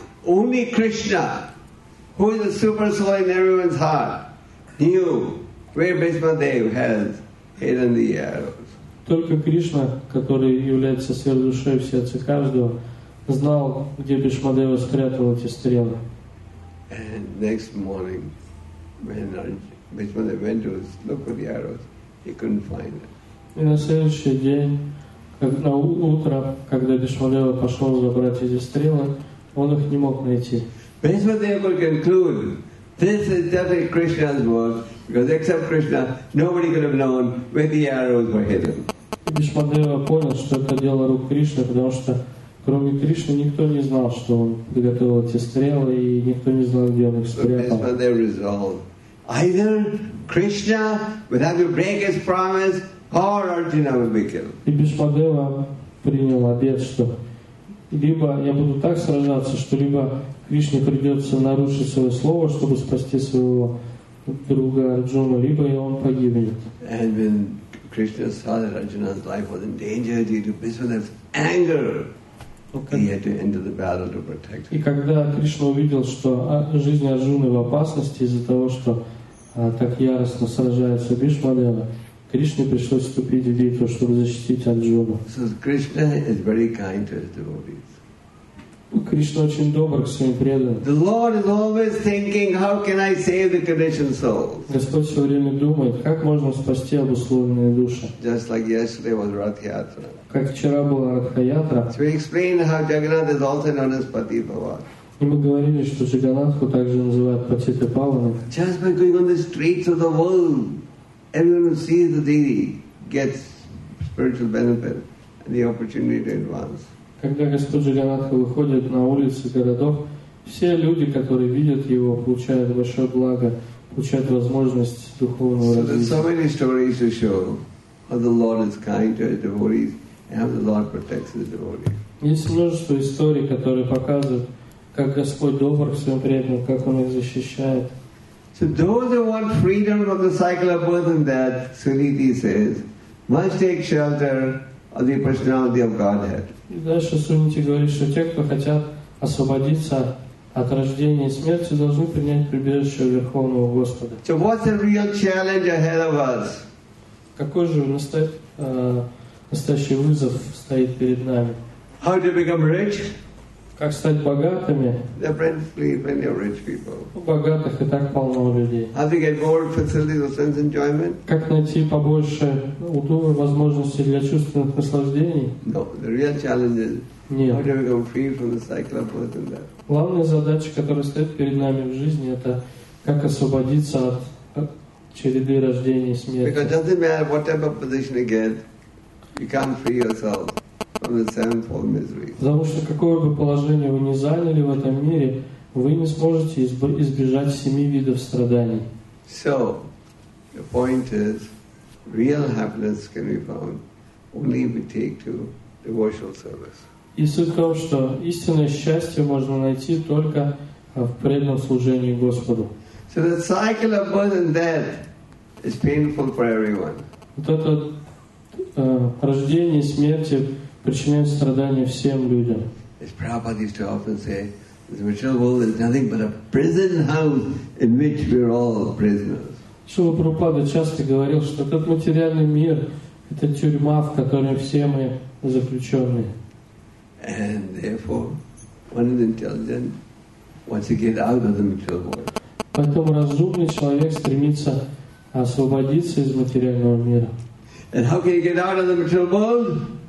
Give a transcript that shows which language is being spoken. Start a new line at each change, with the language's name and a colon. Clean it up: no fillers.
English: Only Krishna, who is the super soul in everyone's heart, knew where Bhishmadev has hidden the arrows.
Russian: Только Кришна, который является сверхдушой в сердце каждого, знал, где Бхишмадева спрятал эти стрелы.
English: And next morning, when Bhishmadev went to look for the arrows, he couldn't find them.
Russian: И на следующий день, как на утро, когда Бхишмадева пошел забрать эти стрелы, он их не мог найти.
English: Bhishmadev could conclude, this is definitely Krishna's work, because except Krishna, nobody could have known where the arrows were hidden.
Russian: Бхишмадева понял, что это дело рук Кришны, потому что кроме Кришны никто не знал, что он приготовил эти стрелы, и никто не знал, где он их спрятал.
English: Either Krishna would have to break his promise, or Arjuna would be killed.
Russian: И Бхишмадева принял обет, что либо я буду так сражаться, что либо Кришне придется нарушить свое слово, чтобы спасти своего друга Арджуну, либо и он погибнет.
English: And when Krishna saw that Arjuna's life was in danger due to Bhishmadev's anger, he had to enter the battle to protect him.
Russian: И когда Кришна увидел, что жизнь Арджуны в опасности из-за того, что так яростно сражается Бхишмадева, Кришне пришлось вступить в битву, чтобы защитить Арджуну.
English: So Krishna is very kind to his devotees.
Russian: Кришна очень добр к своим преданным.
English: The Lord is always thinking, how can I save the conditioned souls?
Russian: Господь все время думает, как можно спасти обусловленные души.
English: Just like yesterday was Ратхиатра.
Russian: Как вчера была Ратхиатра.
English: So we explained how Jagannath is also known as Patitapavana.
Russian: И мы говорили, что Джаганатху также называют Патитапаваной.
English: Just by going on the streets of the world, everyone who sees the deity gets spiritual benefit and the opportunity to advance.
Russian: Когда Господь Джаганатха выходит на улицы городов, все люди, которые видят его, получают большое благо, получают возможность духовного развития.
English: So many stories to show how the Lord is kind to his devotees and how the Lord protects his devotees.
Russian: Есть множество историй, которые показывают, как Господь добр к своим преданным, как он их защищает.
English: So those who want freedom from the cycle of birth and death, Suniti says, must take shelter of the personality of Godhead.
Russian: И дальше Суниди говорит, что те, кто хотят освободиться от рождения и смерти, должны принять прибежище Верховного Господа.
English: So what's the real challenge ahead of us?
Russian: Какой же настоящий вызов стоит перед нами?
English: How to become rich?
Russian: Как стать богатыми?
English: There are plenty of rich people.
Russian: У богатых и так полно людей.
English: How to get more facilities of sense enjoyment?
Russian: Как найти побольше удобных возможностей для чувственных наслаждений?
English: No, the real challenge is
Russian: нет.
English: How to become free from the cycle of birth and death.
Russian: Главная задача, которая стоит перед нами в жизни, это как освободиться от череды рождения и смерти.
English: Because it doesn't matter what type of position you get, you can't free yourself.
Russian: Потому что какое бы положение вы ни заняли в этом мире, вы не сможете избежать семи видов страданий.
English: So, the point is, real happiness can be found only if we take to devotional service.
Russian: И суть в том, что истинное счастье можно найти только в преданном служении Господу.
English: So the cycle of birth and death is painful for everyone.
Russian: Вот это рождение и смерть причиняют страдания всем людям.
English: As Prabhupada used to often say, this material world is nothing but a prison house in which we are all prisoners.
Russian: Шрила Прабхупада часто говорил, что этот материальный мир — это тюрьма, в которой все мы заключенные.
English: And therefore, one is intelligent wants to get out of the material world.
Russian: Поэтому разумный человек стремится освободиться из материального мира.
English: And how can you get out of the material world?